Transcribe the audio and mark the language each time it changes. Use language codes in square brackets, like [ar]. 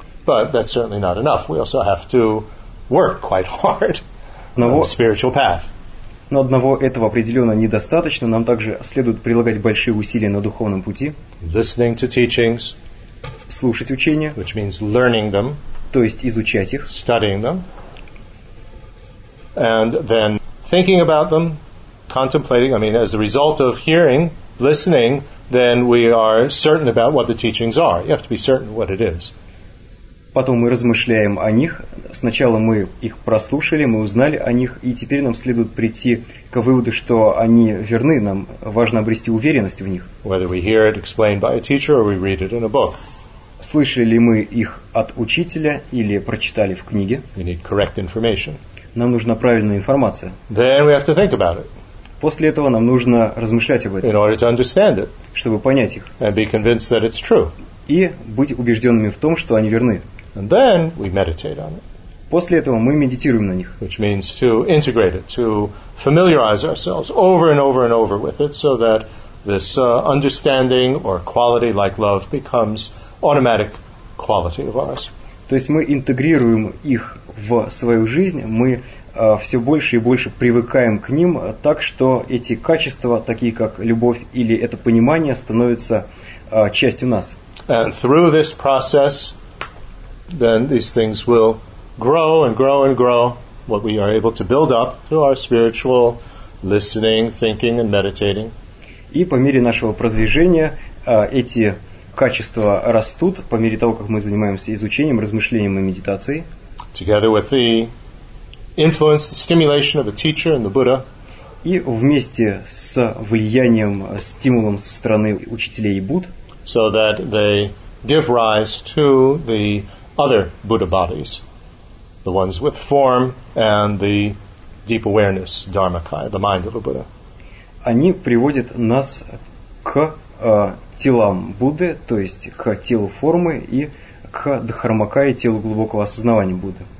[en] But that's certainly not enough. We also have to work quite hard on the spiritual path. [ru] Но одного этого определенно недостаточно. Нам также следует прилагать большие усилия на духовном пути. [en] Listening to teachings. [ru] Слушать учения. [en] Which means learning them. [ru] То есть изучать их. [en] Studying them. And then thinking about them, contemplating. I mean, as a result of hearing, listening, then we are certain about what the teachings are. You have to be certain what it is. [ru] Потом мы размышляем о них. Сначала мы их прослушали, мы узнали о них, и теперь нам следует прийти к выводу, что они верны. Нам важно обрести уверенность в них. [en] Whether we hear it explained by a teacher or we read it in a book. [ru] Слышали ли мы их от учителя или прочитали в книге? [en] We need correct information. [ru] Нам нужна правильная информация. [en] Then we have to think about it. [ru] После этого нам нужно размышлять об этом. [en] In order to understand it. [ru] Чтобы понять их. [en] And be convinced that it's true. [ru] И быть убежденными в том, что они верны. [en] And then we meditate on it. [ru] После этого мы медитируем на них. [en] Which means to integrate it, to familiarize ourselves over and over and over with it, so that this understanding or quality like love becomes automatic quality of ours. [ru] То есть мы интегрируем их в свою жизнь, мы все больше и больше привыкаем к ним, так что эти качества, такие как любовь или это понимание, становятся частью нас. [en] And through this process, then these things will grow and grow and grow, what we are able to build up through our spiritual listening, thinking and meditating. [ru] И по мере нашего продвижения эти качества растут по мере того, как мы занимаемся изучением, размышлением и медитацией. [en] Together with the influence, the stimulation of a teacher and the Buddha. [ru] И вместе с влиянием, стимулом со стороны учителей и Будд. [en] So that they give rise to the other Buddha bodies, the ones with form and the deep awareness, Dharmakaya, the mind of a Buddha. [ru] Они приводят нас к телам Будды, то есть к телу формы и к Дхармакае, телу глубокого осознавания Будды.